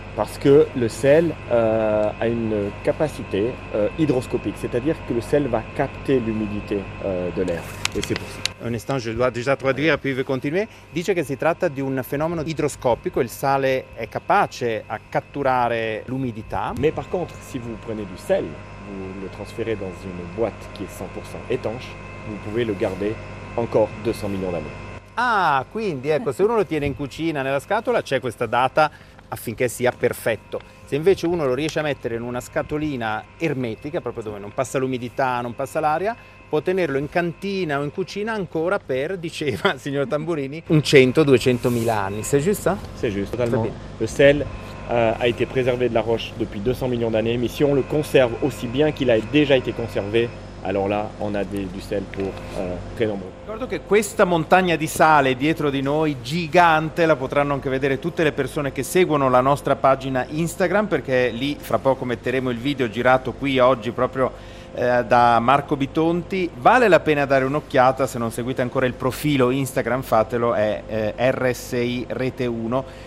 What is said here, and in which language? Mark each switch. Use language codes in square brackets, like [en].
[fr] Parce que le sel a une capacité hydroscopique, c'est-à-dire que le sel va capter l'humidité de l'air. Et c'est possible. Un instant, je dois déjà traduire, puis vous continuez. [it] Dice che si tratta di un fenomeno idroscopico, il sale è capace a catturare l'umidità. [fr] Mais par contre, si vous prenez du sel, vous le transférez dans une boîte qui est 100% étanche, vous pouvez le garder encore 200 millions d'années. [it] Ah, quindi ecco, se uno lo tiene in cucina nella scatola, c'è questa data affinché sia perfetto. Se invece uno lo riesce a mettere in una scatolina ermetica, proprio dove non passa l'umidità, non passa l'aria, può tenerlo in cantina o in cucina ancora per, diceva il signor Tamburini, un 100-200 mila anni. [fr] C'est juste? C'est juste, totalement. Le sel a été préservé de la roche depuis 200 millions d'années, mais si on le conserve aussi bien qu'il a déjà été conservé, allora là on a du sel pour très nombreux. [it] Ricordo che questa montagna di sale dietro di noi, gigante, la potranno anche vedere tutte le persone che seguono la nostra pagina Instagram, perché lì fra poco metteremo il video girato qui oggi proprio da Marco Bitonti. Vale la pena dare un'occhiata, se non seguite ancora il profilo Instagram fatelo, è RSI Rete 1.